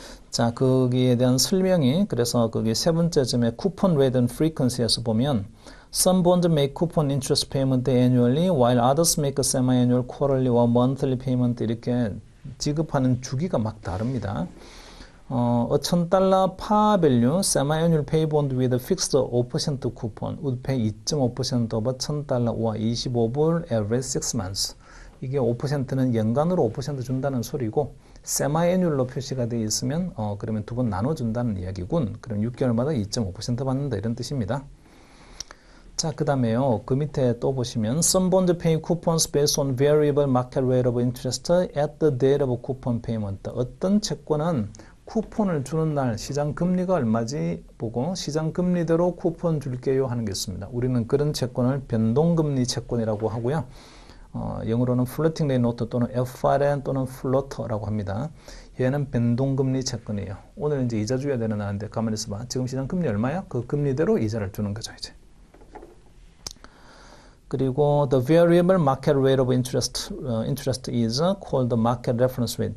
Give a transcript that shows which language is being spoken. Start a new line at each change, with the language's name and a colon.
Korean: 자, 거기에 대한 설명이 그래서 거기 세 번째쯤에 쿠폰 rate and frequency에서 보면
English: Some bonds make coupon interest payment annually, while others make a semi-annual, quarterly, or monthly payment.
Korean: 이렇게 지급하는 주기가 막 다릅니다.
English: $1,000 par value, semi-annual pay bond with a fixed 5% coupon would pay 2.5% over $1,000 or 25불 every 6 months.
Korean: 이게 5%는 연간으로 5% 준다는 소리고, semi-annual로 표시가 되어 있으면, 그러면 두번 나눠준다는 이야기군. 그럼 6개월마다 2.5% 받는다. 이런 뜻입니다. 자, 그 다음에요. 그 밑에 또 보시면
English: Some bonds pay coupons based on variable market rate of interest at the date of coupon payment.
Korean: 어떤 채권은 쿠폰을 주는 날 시장 금리가 얼마지 보고 시장 금리대로 쿠폰 줄게요 하는 게 있습니다. 우리는 그런 채권을 변동금리 채권이라고 하고요. 영어로는 Floating Rate Note 또는 FRN 또는 Floater라고 합니다. 얘는 변동금리 채권이에요. 오늘 이제 이자 줘야 되는 날인데 가만히 있어봐. 지금 시장 금리 얼마야? 그 금리대로 이자를 주는 거죠, 이제.
English: 그리고 the variable market rate of interest is called the market reference rate.